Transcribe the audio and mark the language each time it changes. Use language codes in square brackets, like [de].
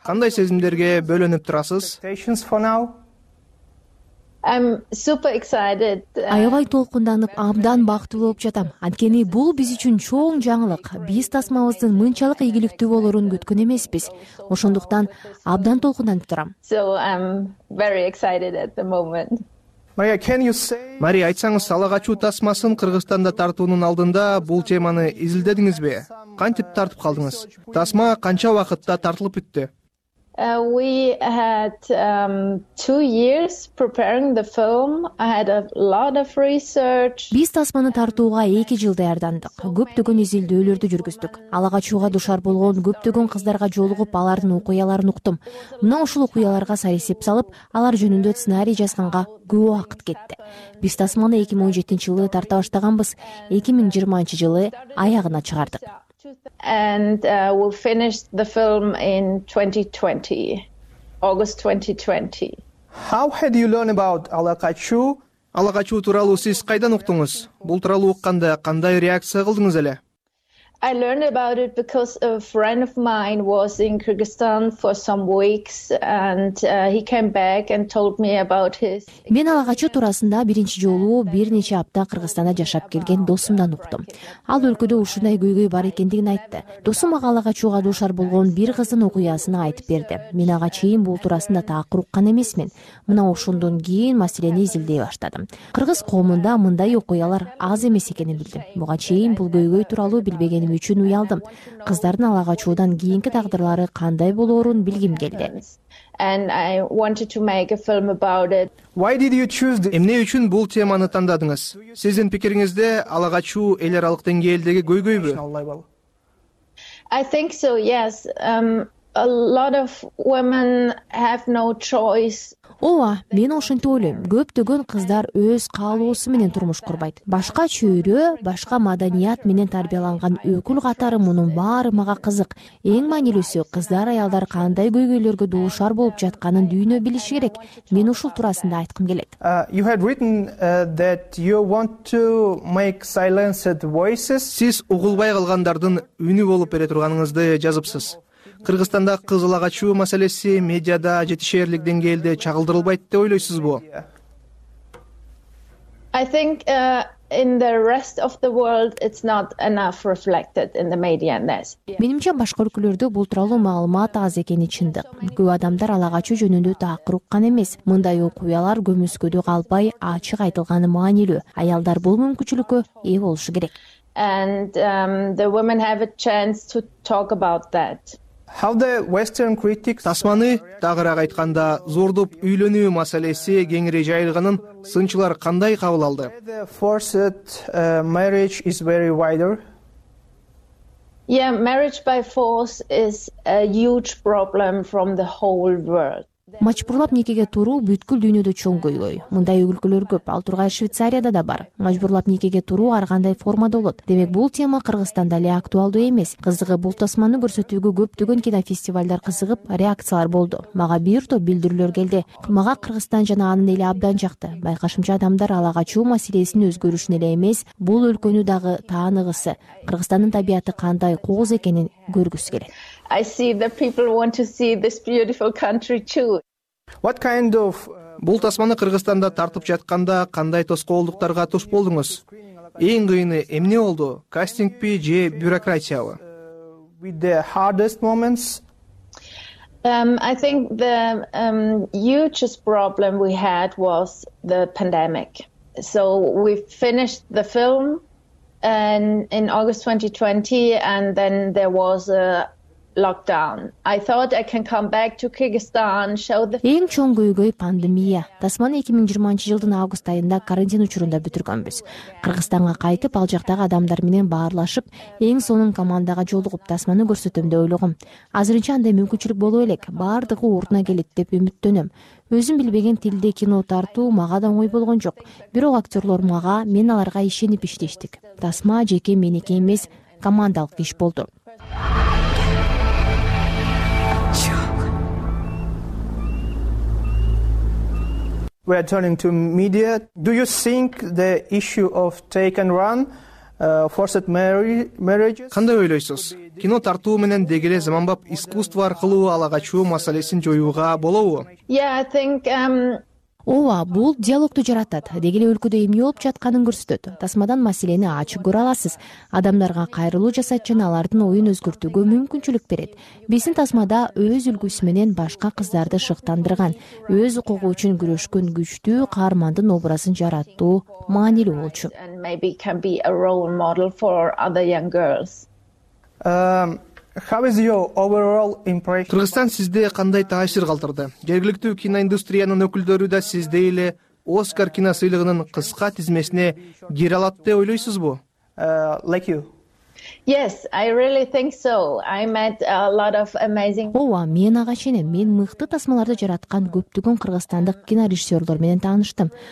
[ky] Кандай сезимдерге бөлөнүп турасыз? [en] I'm super excited. [ky] Аябай толкунданып, абдан бактылуу болуп жатам. Анткени бул биз үчүн чоң жаңылык. Биз тасмабыздын мынчалык ийгиликтүү болорун күткөн эмеспиз. Ошондуктан абдан толкунданып турам. [en] So I'm very excited at the moment. Мария, can you say? [ky] Мария, айтсаңыз, Ала качуу тасмасын Кыргызстанда тартуунун алдында бул теманы изилдедиңизби? Кантип тартып калдыңыз? Тасма канча убакытта тартылып бүттү? [en] We had 2 years preparing the film. I had a lot of research. [ky] Биз тасманы тартууга 2 жыл даярдандык. Көптөгөн изилдөөлөрдү жүргүздүк. Алага чууга душар болгон көптөгөн кыздарга жолугуп, алардын окуяларын уктум. Мына ушул окуяларга саясеп салып, алар жөнүндө сценарий жазганга көп убакыт кетти. Биз тасманы 2017 жылы тарта баштаганбыз. 2020 жылы аягына чыгардык. [en] And we finished the film in 2020, August 2020. How had you learned about Alakachu? [ky] Alakachu тууралуу сиз кайдан уктуңуз? Бул тууралуу укканда кандай реакция кылдыңыз эле? [en] I learned about it because a friend of mine was in Kyrgyzstan for some weeks and he came back and told me about his. [ky] Мен алагачу туурасында биринчи жолу бир нече апта Кыргызстанда жашап келген досумдан уктум. Ал өлкөдө ушундай көйгөй бар экендигин айтты. Досум ага алагачууга дуушар болгон бир кыздын окуясын айтып берди. Мен ага чейин бул туурасында такыр уккан эмесмин. Мына ошондон кийин маселени изилдей баштадым. Кыргыз коомунда мындай окуялар аз эмес экенин билдим. Буга чейин бул көйгөй тууралуу билбеген эним үчүн уялдым. Кыздардын алага чуудан кийинки тагдырлары кандай болоорун билгим келди. [en] And I wanted to make a film about it. Why did you choose this? [ky] Эмне үчүн бул теманы тандадыңыз? Сиздин пикириңизде алага чуу эл аралык деңгээлдеги көйгөйбү? [en] I think so, yes. A lot of women have no choice. [ky] Ооба, мен ошентип ойлойм. Көптөгөн кыздар өз каалоосу менен турмуш курбайт. Башка чөйрө, башка маданият менен тарбияланган өкүл катары мунун баары мага кызык. Эң маанилүүсү кыздар аялдар кандай көйгөйлөргө дуушар болуп жатканын дүйнө билиши керек. Мен ушул туурасында айткым келет. [en] You had written that you want to make silenced voices. [ky] Сиз угулбай калгандардын үнү болуп бере турганыңызды жазыпсыз. Кыргызстанда кыз алага чуу маселеси медиада жетишерлик деңгээлде чагылдырылбайт деп ойлойсузбу? [en] I think in the rest of the world it's not enough reflected in the media and this. [ky] Менимче башка өлкөлөрдө бул тууралуу маалымат аз экени чындык. Көп адамдар алага чуу жөнүндө такыр уккан эмес. Мындай окуялар көмүскөдө калбай ачык айтылганы маанилүү. Аялдар бул мүмкүнчүлүккө ээ болушу керек. [en] And the women have a chance to talk about that. How the Western critics [ky] тасманы тагыраак айтканда зордуп үйлөнүү маселеси кеңири жайылганын сынчылар кандай кабыл алды? [en] Forced marriage is very wider. Yeah, marriage by force is a huge problem from the whole world. [ky] Мажбурлап никеге туруу бүткүл дүйнөдө чоң көйгөй. Мындай өлкөлөр көп, ал тургай Швейцарияда да бар. Мажбурлап никеге туруу ар кандай формада болот. Демек бул тема Кыргызстанда эле актуалдуу эмес. Кызыгы бул тасманы көрсөтүүгө көптөгөн кинофестивалдар кызыгып, реакциялар болду. Мага бир топ билдирүүлөр келди. Мага Кыргызстан жана анын эли абдан жакты. Байкашымча адамдар алага чуу маселесинин өзгөрүшүн эле эмес, бул өлкөнү дагы тааныгысы, Кыргызстандын табияты кандай кооз экенин көргүсү келет. [en] I see that people want to see this beautiful country too. What kind of [ky] бул тасманы Кыргызстанда тартып жатканда кандай тоскоолдуктарга туш болдуңуз? Эң кыйыны эмне болду? Кастингби же бюрократиябы? [en] With the hardest moments. I think the hugest problem we had was the pandemic. So we finished the film in August 2020 and then there was a lockdown. I thought I can come back to Kyrgyzstan, show the [ky] Эң чоң көйгөй пандемия. Тасманы 2020 жылдын август айында карантин учурунда бүтүргөнбүз. Кыргызстанга кайтып, ал жактагы адамдар менен баарлашып, эң сонун командага жолугуп, тасманы көрсөтөм деп ойлогом. Азырынча андай мүмкүнчүлүк боло элек. Бардыгы ордуна келет деп үмүттөнөм. Өзүм билбеген тилде кино тартуу мага да оңой болгон жок. Бирок актёрлор мага, мен аларга ишенип иштештик. Тасма жеке меники эмес, командалык иш болду. [en] We are turning to media. Do you think the issue of take and run, forced marriages? [ky] Кандай ойлойсуз? Кино тартуу менен деги эле заманбап искусство аркылуу алага чуу маселесин жоюуга болобу? [en] Yeah, I think [ky] Ооба, бул диалогду жаратат. Деги эле өлкөдө эмне болуп жатканын көрсөтөт. Тасмадан маселени ачык көрө аласыз. Адамдарга кайрылуу жасайт жана алардын оюн өзгөртүүгө мүмкүнчүлүк берет. Биздин тасмада өз үлгүсү менен башка кыздарды шыктандырган, өз укугу үчүн күрөшкөн күчтүү каармандын образын жараттуу маанилүү болчу. [en] Maybe can be a role model for other young girls. How is your overall impression? [ky] Кыргызстан сизде кандай таасир калтырды? Жергиликтүү киноиндустриянын өкүлдөрү да сизде эле Оскар киносыйлыгынын кыска тизмесине кире алат деп ойлойсузбу? [en] Like you. Yes, I really think so. I met a lot of amazing. [ky] Ооба, мен ага чейин мен мыкты тасмаларды жараткан көптөгөн кыргызстандык кинорежиссерлор менен тааныштым.